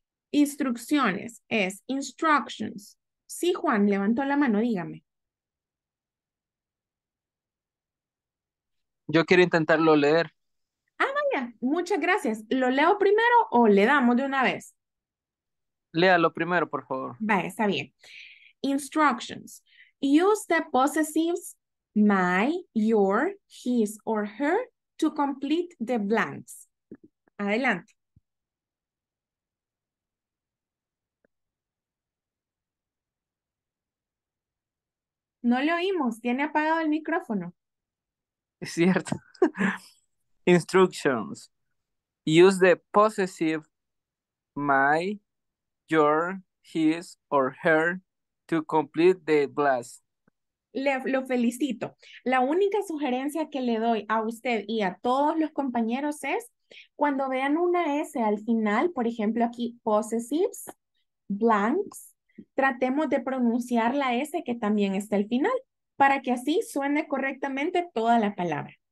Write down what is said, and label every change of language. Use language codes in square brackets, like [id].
[es] Instrucciones es instructions. Sí, Juan, levantó la mano, dígame. Yo quiero intentarlo leer. Vaya, muchas gracias. ¿Lo leo primero o le damos de una vez? Léalo primero, por favor. Vaya, está bien. Instructions. [en] Use the possessives my, your, his or her to complete the blanks. [es] Adelante. No le oímos, tiene apagado el micrófono. Es cierto. Instructions. [en] Use the possessive my, your, his or her to complete the blast. [es] Lo felicito. La única sugerencia que le doy a usted y a todos los compañeros es cuando vean una S al final, por ejemplo aquí, possessives, blanks. Tratemos de pronunciar la S que también está al final para que así suene correctamente toda la palabra.